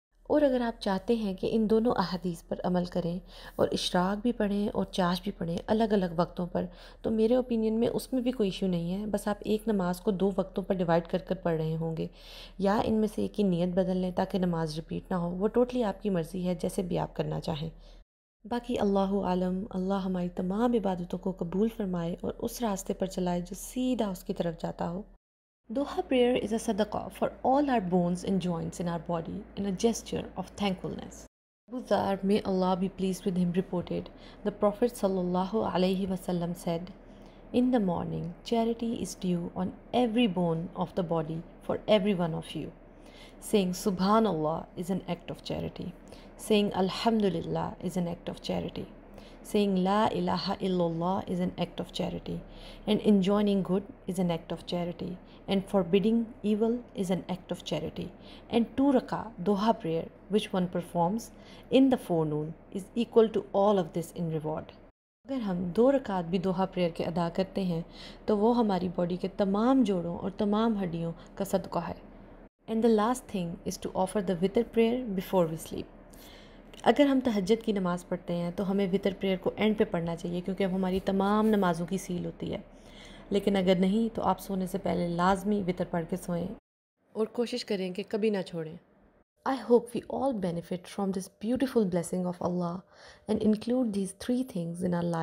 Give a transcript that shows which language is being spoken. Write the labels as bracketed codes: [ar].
[ur] اور اگر آپ چاہتے ہیں کہ ان دونوں احادیث پر عمل کریں اور اشراق بھی پڑھیں اور چاشت بھی پڑھیں الگ الگ وقتوں پر تو میرے اوپینین میں اس میں بھی کوئی ایشو نہیں ہے بس آپ ایک نماز کو 2 وقتوں پر ڈیوائڈ کر کر پڑھ رہے ہوں گے یا ان میں سے ایک کی نیت بدل لیں تاکہ نماز رپیٹ نہ ہو وہ ٹوٹلی آپ کی مرضی ہے جیسے بھی آپ کرنا چاہیں باقی اللہ عالم اللہ ہماری تمام عبادتوں کو قبول فرمائے اور اس راستے پر چلائے جو سیدھا اس کی طرف جاتا ہو [en] Duha prayer is a sadaqah for all our bones and joints in our body in a gesture of thankfulness. Abu Dhar, may Allah be pleased with him, reported, the Prophet sallallahu alaihi wasallam said, "In the morning, charity is due on every bone of the body for every one of you. Saying Subhanallah is an act of charity. Saying Alhamdulillah is an act of charity. Saying La ilaha illallah is an act of charity. And enjoining good is an act of charity. And forbidding evil is an act of charity. And 2 rakah Duha prayer, which one performs in the forenoon, is equal to all of this in reward." [ur] اگر ہم 2 رکعت بھی Doha prayer کے ادا کرتے ہیں تو وہ ہماری باڈی کے تمام جوڑوں اور تمام ہڈیوں کا صدقہ ہے [en] And the last thing is to offer the witr prayer before we sleep. [ur] اگر ہم تہجد کی نماز پڑھتے ہیں تو ہمیں witr prayer کو اینڈ پہ پڑھنا چاہیے کیونکہ وہ ہماری تمام نمازوں کی سیل ہوتی ہے لیکن اگر نہیں تو آپ سونے سے پہلے لازمی witr پڑھ کے سوئیں اور کوشش کریں کہ کبھی نہ چھوڑیں [en] I hope we all benefit from this beautiful blessing of Allah and include these three things in our lives until we live. Inshallah, we'll see you next time.